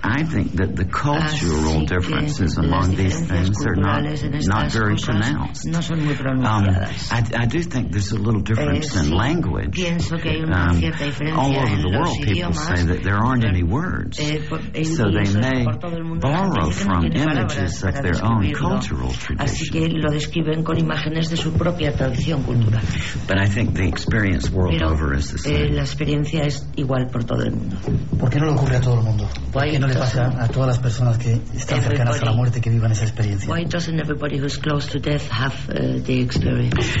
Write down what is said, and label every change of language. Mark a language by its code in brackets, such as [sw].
[en] I think that the cultural differences among these things are not very pronounced. [es] No son muy pronunciadas. [en] I do think there's a little difference in language. [es] Pienso que hay una cierta diferencia [en] all over the world, [es] idiomas, [en] people say that there aren't any words. So they may borrow from images of their own cultural tradition. [es] Así que lo describen con imágenes de su propia tradición cultural. [en] But I think the experience world [es] pero, [en] over is the same. [es] La experiencia es igual por todo el mundo. ¿Por qué no le ocurre a todo el mundo? [en] Why [es] ¿Qué no le pasa a todas las personas que están cercanas a la muerte que vivan esa experiencia? [en] Why doesn't everybody who's close to death have the experience?